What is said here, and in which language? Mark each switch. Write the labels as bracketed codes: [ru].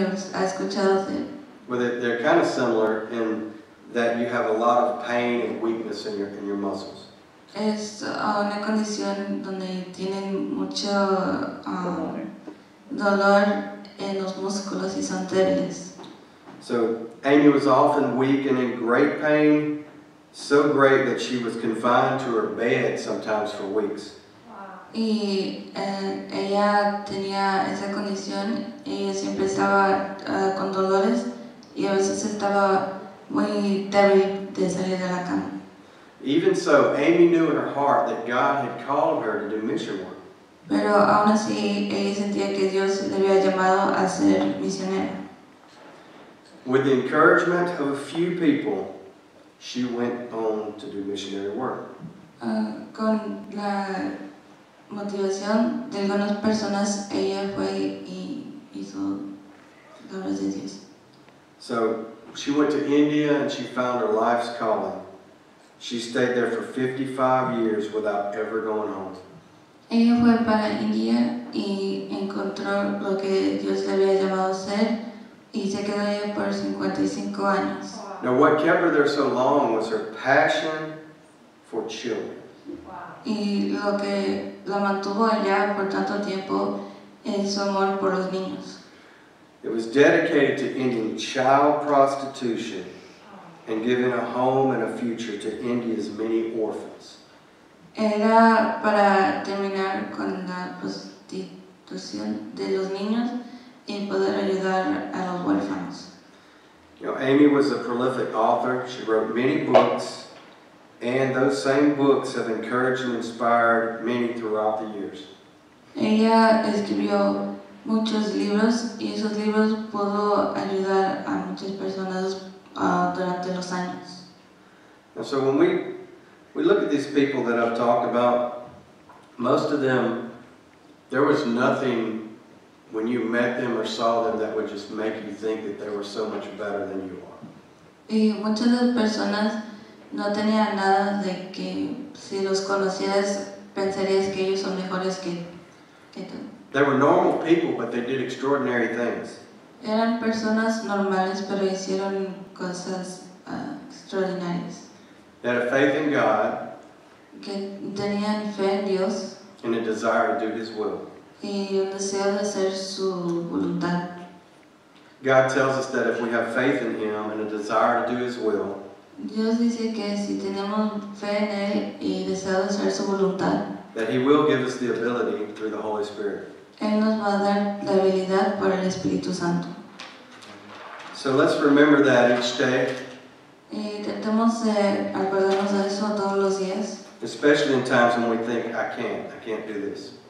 [en] They're kind of similar in that you have a lot of pain and weakness in your muscles. [es] Es una condición donde tienen mucho dolor en los músculos y son débiles. [en] So Amy was often weak and in great pain, so great that she was confined to her bed sometimes for weeks. [es] Y ella tenía esa condición, ella siempre estaba con dolores y a veces estaba muy débil de salir de la cama. [en] Even so, Amy knew in her heart that God had called her to do mission work. [es] Pero aún así, ella sentía que Dios le había llamado a ser misionera. [en] With the encouragement of a few people, she went on to do missionary work. [es] Con la motivación de algunas personas, ella fue y hizo obras de Dios. [en] So, she went to India and she found her life's calling. She stayed there for 55 years without ever going home. [es] Ella fue para India y encontró lo que Dios le había llamado a ser y se quedó allá por 55 años. [en] Now what kept her there so long was her passion for children. [es] Y lo que la mantuvo allá por tanto tiempo es su amor por los niños. [en] It was dedicated to ending child prostitution and giving a home and a future to India's many orphans. [es] Era para terminar con la prostitución de los niños y poder ayudar a los huérfanos. [en] You know, Amy was a prolific author. She wrote many books, and those same books have encouraged and inspired many throughout the years. [es] Ella escribió muchos libros, y esos libros pudo ayudar a muchas personas durante los años. [en] And so when we look at these people that I've talked about, most of them, there was nothing when you met them or saw them that would just make you think that they were so much better than you are. [es] Y muchas de las personas no tenían nada de que si los conocieras pensarías que ellos son mejores que tú. [en] They were normal people, but they did extraordinary things. [es] Eran personas normales, pero hicieron cosas extraordinarias. [en] They had a faith in God. [es] Que tenían fe en Dios. [en] And a desire to do His will. [es] Y un deseo de hacer su voluntad. [en] God tells us that if we have faith in Him and a desire to do His will, [es] Dios dice que si tenemos fe en Él y deseo de hacer su voluntad, [en] that He will give us the ability through the Holy Spirit. [es] Él nos va a dar la habilidad por el Espíritu Santo. [en] So let's remember that each day. [es] Y tratemos de acordarnos de eso todos los días. [en] Especially in times when we think, I can't do this.